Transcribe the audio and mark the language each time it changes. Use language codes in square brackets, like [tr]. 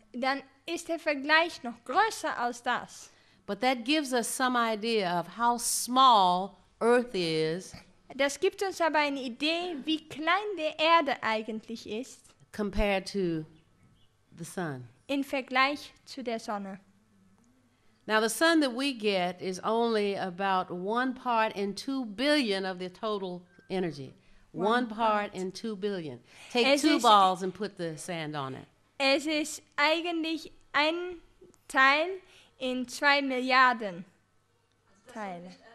[de] Dann ist der Vergleich noch größer als das. [en] But that gives us some idea of how small Earth is. [de] Das gibt uns aber eine Idee, wie klein die Erde eigentlich ist. [en] Compared to the sun. [de] Im Vergleich zu der Sonne. [en] Now the sun that we get is only about one part in 2 billion of the total energy. One part in 2 billion. Take [de] es [en] two balls and put the sand on it. [de] Es ist eigentlich ein Teil in 2 Milliarden Teile.